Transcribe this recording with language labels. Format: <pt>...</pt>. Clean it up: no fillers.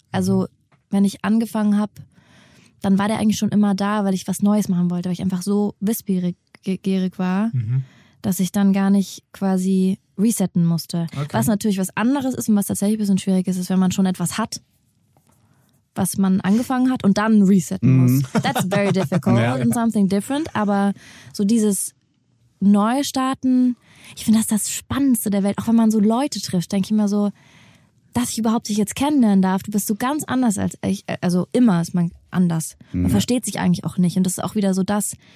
<de>Also wenn ich angefangen habe, dann war der eigentlich schon immer da, weil ich was Neues machen wollte, weil ich einfach so wissbegierig war, dass ich dann gar nicht quasi resetten musste.</de> <en>Okay.</en> <de>Was natürlich was anderes ist und was tatsächlich ein bisschen schwierig ist, ist, wenn man schon etwas hat, was man angefangen hat und dann resetten muss.</de> <en>That's very difficult and something different.</en> <de>Aber so dieses Neustarten, ich finde das Spannendste der Welt. Auch wenn man so Leute trifft, denke ich mir so, dass ich überhaupt dich jetzt kennenlernen darf, du bist so ganz anders als ich. Also immer ist man anders. Man versteht sich eigentlich auch nicht. Und das ist auch wieder so das.</de>